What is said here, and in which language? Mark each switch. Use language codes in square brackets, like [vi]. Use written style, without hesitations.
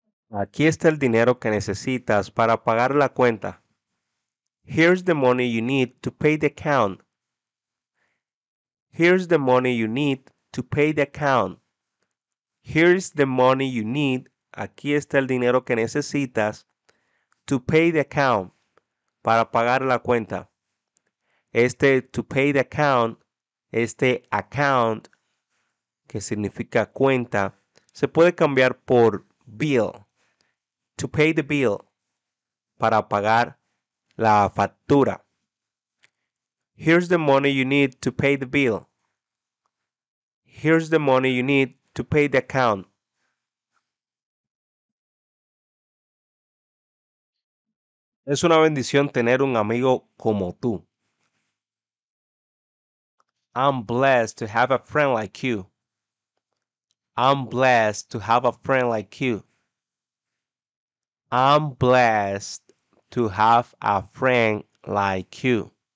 [es] Aquí está el dinero que necesitas para pagar la cuenta. [en] Here's the money you need to pay the account. Here's the money you need to pay the account. Here's the money you need. [es] Aquí está el dinero que necesitas. [en] To pay the account. [es] Para pagar la cuenta. Este [en] to pay the account, [es] este account, que significa cuenta, se puede cambiar por bill. [en] To pay the bill. [es] Para pagar la factura. [en] Here's the money you need to pay the bill. Here's the money you need to pay the account. [es] Es una bendición tener un amigo como tú. [en] I'm blessed to have a friend like you. I'm blessed to have a friend like you. I'm blessed to have a friend like you.